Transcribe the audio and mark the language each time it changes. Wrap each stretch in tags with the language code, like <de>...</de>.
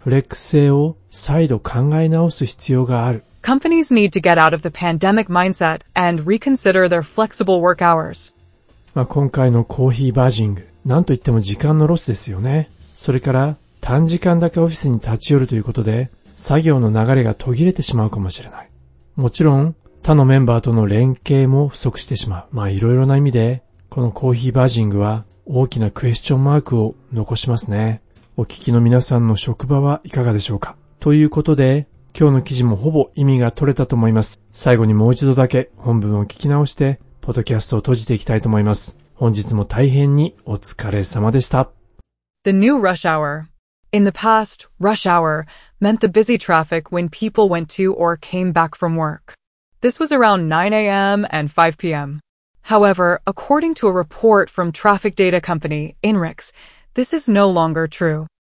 <ja>フレックス性を再度考え直す必要がある。</ja> <en>Companies need to get out of the pandemic mindset and reconsider their flexible work hours.</en> <ja>まあ今回のコーヒーバージング、なんといっても時間のロスですよね。それから短時間だけオフィスに立ち寄るということで、作業の流れが途切れてしまうかもしれない。もちろん他のメンバーとの連携も不足してしまう。まあいろいろな意味で、このコーヒーバージングは大きなクエスチョンマークを残しますね。お聞きの皆さんの職場はいかがでしょうか。ということで今日の記事もほぼ意味が取れたと思います。最後にもう一度だけ本文を聞き直してポッドキャストを閉じていきたいと思います。本日も大変にお疲れ様でした。</ja> <en>The new rush hour. In the past, rush hour meant the busy traffic when people went to or came back from work. This was around 9 a.m. and 5 p.m. However, according to a report from traffic data company, INRIX, this is no longer true.</en>